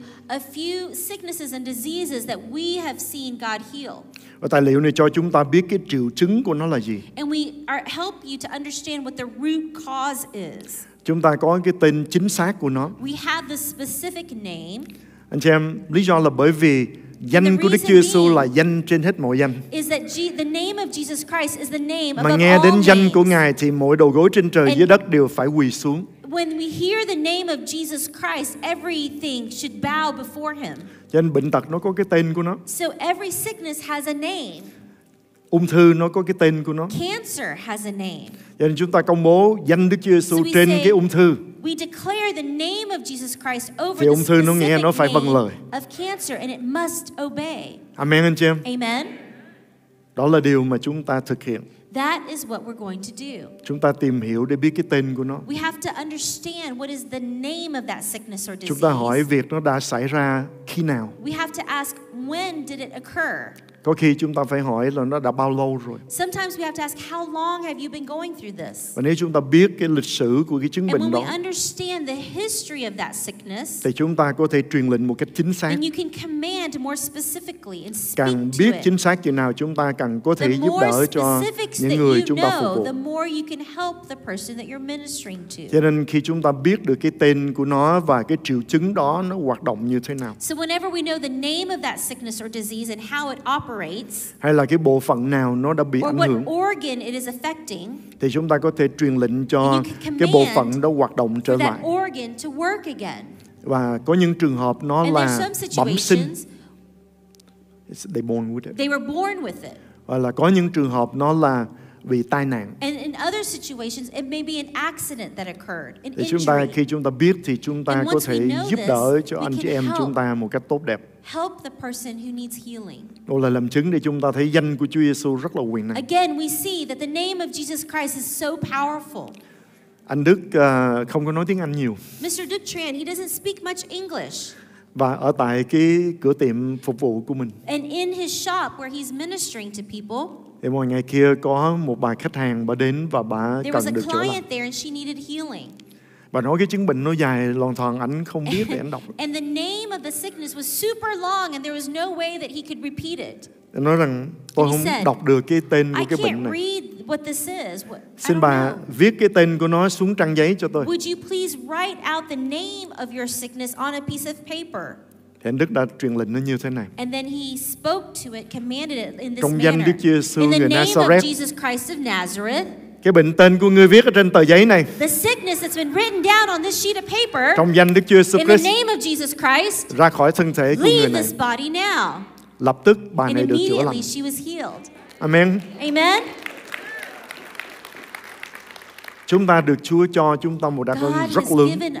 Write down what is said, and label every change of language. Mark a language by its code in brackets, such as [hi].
[en] A few sicknesses and diseases that we have seen God heal. [vi] Và tài liệu này cho chúng ta biết cái triệu chứng của nó là gì. [en] And we are help you to understand what the root cause is. [vi] Chúng ta có cái tên chính xác của nó. [en] We have the specific name. [vi] Anh chị em, lý do là bởi vì danh của Đức Chúa Giêsu là danh trên hết mọi danh. [en] Is that the name of Jesus Christ is the name above all names. [vi] Mà nghe đến danh của Ngài thì mỗi đầu gối trên trời dưới đất đều phải quỳ xuống. [en] When we hear the name of Jesus Christ, everything should bow before him. [vi] Cho nên bệnh tật nó có cái tên của nó. [en] So every sickness has a name. [vi] Ung thư nó có cái tên của nó. [en] Cancer has a name. [vi] Cho nên chúng ta công bố danh Đức Chúa Giêsu trên cái ung thư. [en] We declare the name of Jesus Christ over the specific name. [vi] Ung thư nó nghe nó phải vâng lời. [en] Of cancer and it must obey. [vi] Amen anh chị em. [en] Amen. [vi] Đó là điều mà chúng ta thực hiện. [en] That is what we're going to do. [vi] Chúng ta tìm hiểu để biết cái tên của nó. [en] We have to understand what is the name of that sickness or disease. [vi] Chúng ta hỏi việc nó đã xảy ra khi nào. [en] We have to ask when did it occur. [vi] Có khi chúng ta phải hỏi là nó đã bao lâu rồi. [en] Sometimes we have to ask how long have you been going through this. [vi] Và nếu chúng ta biết cái lịch sử của cái chứng bệnh đó. [en] And when we understand the history of that sickness. [vi] Thì chúng ta có thể truyền lệnh một cách chính xác. [en] And you can command more specifically and speak to it. [vi] Càng biết chính xác chừng nào chúng ta càng có thể giúp đỡ cho những người chúng ta phục vụ. [en] The more you can help the person that you're ministering to. [vi] Cho nên khi chúng ta biết được cái tên của nó và cái triệu chứng đó nó hoạt động như thế nào. [en] So whenever we know the name of that sickness or disease and how it operates. [vi] Hay là cái bộ phận nào nó đã bị [en] or [vi] ảnh hưởng [en] organ it is affecting, [vi] thì chúng ta có thể truyền lệnh cho cái bộ phận đó hoạt động trở lại [en] organ to work again. [vi] Và có những trường hợp nó [en] and [vi] là bẩm sinh [en] they were born with it. [vi] Và là có những trường hợp nó là bị tai nạn. [en] And in other situations it may be an accident that occurred. [vi] Thì chúng ta khi chúng ta biết thì chúng ta có thể giúp đỡ cho anh chị em chúng ta một cách tốt đẹp. [en] Help the person who needs healing. [vi] Đó là làm chứng để chúng ta thấy danh của Chúa Giêsu rất là quyền năng. [en] Again we see that the name of Jesus Christ is so powerful. [vi] Anh Đức không có nói tiếng Anh nhiều. [en] Mr. Duc Tran, he doesn't speak much English. [vi] Và ở tại cái cửa tiệm phục vụ của mình. [en] And in his shop where he's ministering to people. [vi] Thì mọi ngày kia có một bà khách hàng bà đến và bà cần được chữa lành. [en] There was a client there and she needed healing. [vi] Bà nói cái chứng bệnh nó dài lòn thòn, anh không biết để anh đọc. [en] And the name of the sickness was super long and there was no way that he could repeat it. [vi] Nói rằng tôi không đọc được cái tên của cái bệnh này. [en] I can't read what this is. [vi] Xin bà viết cái tên của nó xuống trang giấy cho tôi. [en] Would you please write out the name of your sickness on a piece of paper? [vi] Thì anh Đức đã truyền lệnh nó như thế này. [en] And then he spoke to it, commanded it in this manner. [vi] Trong danh Đức Chúa Giêsu người [en] Nazareth. Jesus Christ of Nazareth. [vi] Cái bệnh tên của ngươi viết ở trên tờ giấy này. [en] The sickness that's been written down on this sheet of paper. [vi] Trong danh Đức Chúa Giêsu Christ. [en] In the name of Jesus Christ. [vi] Ra khỏi thân thể của ngươi này. [en] Leave this body now. [vi] Lập tức bà này được chữa lành. [en] And immediately she was healed. [vi] Amen. [en] Amen. [vi] Chúng ta được Chúa cho chúng ta một đặc ân rất lớn.